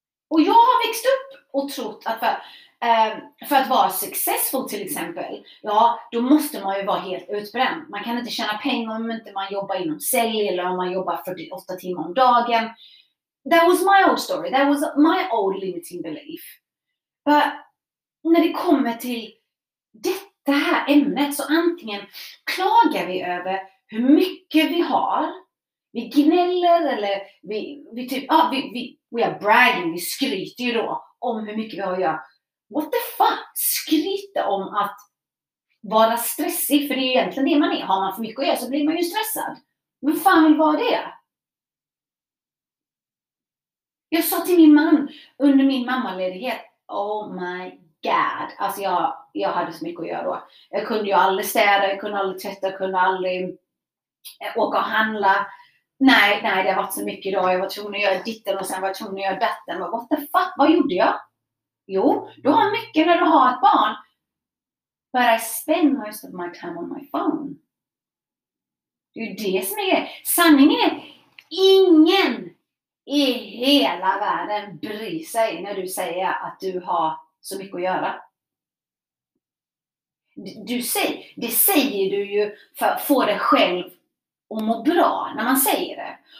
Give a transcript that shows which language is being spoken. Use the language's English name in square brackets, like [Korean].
[Swedish] Och jag har växt upp och trott att för att vara successful till exempel, ja, då måste man ju vara helt utbränd. Man kan inte tjäna pengar om inte man jobbar inom sälj eller om man jobbar 48 timmar om dagen. [English] That was my old story. That was my old limiting belief. [Swedish] För när det kommer till det här ämnet, så antingen klagar vi över hur mycket vi har, vi gnäller eller vi typ, ja, [English] we are bragging, [Swedish] vi skryter ju då om hur mycket vi har att göra. [English] What the fuck? [Swedish] Skryta om att vara stressig, för det är ju egentligen det man är. Har man för mycket att göra så blir man ju stressad. Men fan vill vara det? Jag sa till min man under min mammaledighet, [English] oh my God. [Swedish] Alltså jag hade så mycket att göra då. Jag kunde ju aldrig städa, jag kunde aldrig tvätta, jag kunde aldrig åka och handla. Nej, nej, det har varit så mycket idag. Jag var tvungen att göra ditten och sen var jag tvungen att göra datten. [English] What the fuck, [Swedish] vad gjorde jag? Jo, du har mycket när du har ett barn. [English] But I spend most of my time on my phone. [Swedish] Det är ju det som är grejen. Sanningen är, ingen i hela världen bryr sig när du säger att du har så mycket att göra. Det säger du ju för att få dig själv att må bra när man säger det.